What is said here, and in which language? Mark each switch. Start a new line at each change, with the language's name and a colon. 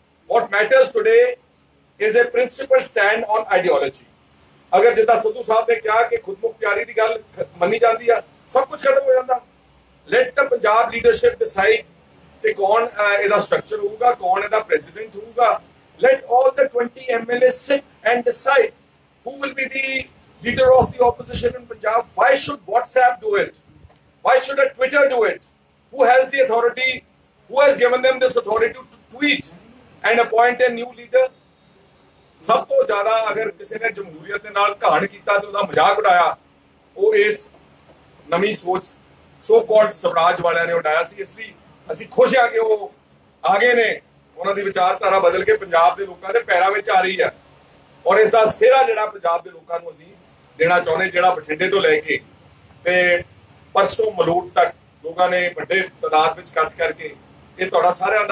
English: What matters today is a principled stand on ideology.
Punjabi: ਅਗਰ ਜਿੱਦਾਂ ਸਿੱਧੂ ਸਾਹਿਬ ਨੇ ਕਿਹਾ ਕਿ ਖੁਦਮੁਖਤਿਆਰੀ ਦੀ ਗੱਲ ਮੰਨੀ ਜਾਂਦੀ ਆ, ਸਭ ਕੁਛ ਖਤਮ ਹੋ ਜਾਂਦਾ।
English: let the Punjab leadership decide
Punjabi: ਕਿ ਕੌਣ ਇਹਦਾ ਸਟਰਕਚਰ ਹੋਊਗਾ, ਕੌਣ ਇਹਦਾ ਪ੍ਰੈਜ਼ੀਡੈਂਟ ਹੋਊਗਾ।
English: Let all the 20 MLAs sit and decide who will be the leader of the opposition in Punjab. Why should WhatsApp do it? Why should a Twitter do it? Who has the authority? Who has given them this authority to tweet and appoint a new leader?
Punjabi: Sab to zyada agar kise ne jamhooriyat de naal kahan kita te oda mazak udaya, oh is navi soch so called swaraj walyan ne udaya si, is layi assi khush ha ke oh aage ne, ਉਹਨਾਂ ਦੀ ਵਿਚਾਰਧਾਰਾ ਬਦਲ ਕੇ ਪੰਜਾਬ ਦੇ ਲੋਕਾਂ ਦੇ ਪੈਰਾਂ ਵਿੱਚ ਆ ਰਹੀ ਹੈ। ਔਰ ਇਸਦਾ ਸਿਹਰਾ ਜਿਹੜਾ ਪੰਜਾਬ ਦੇ ਲੋਕਾਂ ਨੂੰ ਅਸੀਂ ਦੇਣਾ ਚਾਹੁੰਦੇ, ਜਿਹੜਾ ਬਠਿੰਡੇ ਤੋਂ ਲੈ ਕੇ ਤੇ ਪਰਸੋਂ ਮਲੂਟ ਤੱਕ ਲੋਕਾਂ ਨੇ ਵੱਡੇ ਤਾਦਾਦ ਵਿੱਚ ਇਕੱਠ ਕਰਕੇ, ਇਹ ਤੁਹਾਡਾ ਸਾਰਿਆਂ ਦਾ ਪ੍ਰੈਸ਼ਰ ਆ ਜਿਹੜਾ ਅੱਜ ਰਾਜਨੀਤੀ ਨੂੰ ਪੰਜਾਬ ਦੇ ਵਿੱਚ ਲਾਈਨ ਦੇ ਉੱਤੇ